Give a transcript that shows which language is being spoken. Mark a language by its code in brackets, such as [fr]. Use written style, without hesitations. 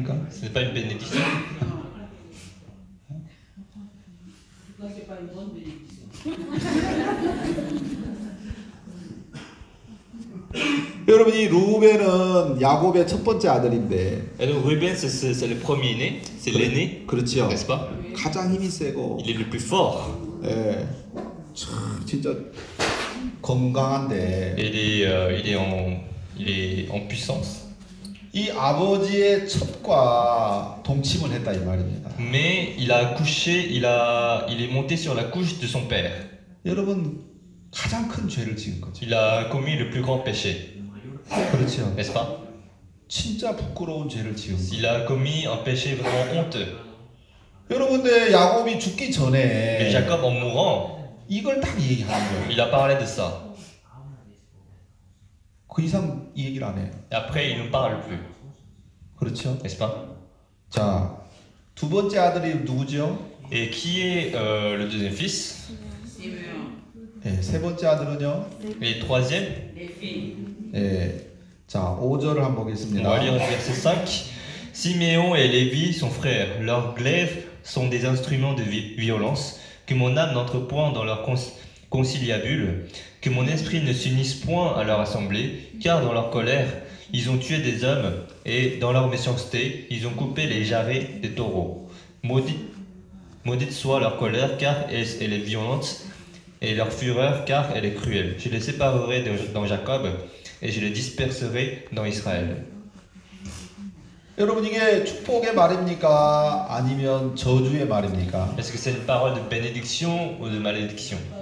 [fr] C'est pas une bénédiction. C'est pas une bonne bénédiction. [ko] Et 여러분, 이 루벤은 야곱의 첫 번째 아들인데. [fr] Et Ruben c'est le premier né, c'est l'aîné. [ko] 그렇죠. [fr] N'est-ce pas? [ko] 가장 힘이 세고. [fr] Il est le plus fort. [ko] 예. 참 진짜 건강한데. [fr] Il est en puissance. [ko] 이 아버지의 첩과 동침을 했다 이 말입니다. [fr] Mais il a couché, il est monté sur la couche de son père. [ko] 여러분 가장 큰 죄를 지은 거죠. [fr] Il a commis le plus grand péché. [ko] 그렇죠. [fr] N'est-ce pas? [ko] 진짜 부끄러운 죄를 지은 거죠. [fr] Il a commis un péché vraiment honteux. [ko] 여러분들 야곱이 죽기 전에 [fr] Mais Jacob en mourant, [ko] 이걸 딱 얘기하는 거예요. [fr] Il a parlé de ça. [ko] 그 이상 이 얘기를 안 해요. [fr] Après, il ne parle plus. [ko] 그렇죠? [fr] N'est-ce pas? [ko] 자, 두 번째 아들이 누구죠? [fr] Et qui est le deuxième fils? [ko] 예, 세 번째 아들은요? [fr] Et troisième? [ko] 예, 자, 5절을 한번 보겠습니다. [fr] On va lire verset 5. Siméon et Lévi sont frères. Leurs glaives sont des instruments de violence que mon âme n'entre point dans leur conciliabule. Que mon esprit ne s'unisse point à leur assemblée, car dans leur colère, ils ont tué des hommes, et dans leur méchanceté, ils ont coupé les jarrets des taureaux. Maudite soit leur colère, car elle est violente, et leur fureur, car elle est cruelle. Je les séparerai dans Jacob, et je les disperserai dans Israël. [ko] 여러분 이게 축복의 말입니까 아니면 저주의 말입니까? [fr] Est-ce que c'est une parole de bénédiction ou de malédiction?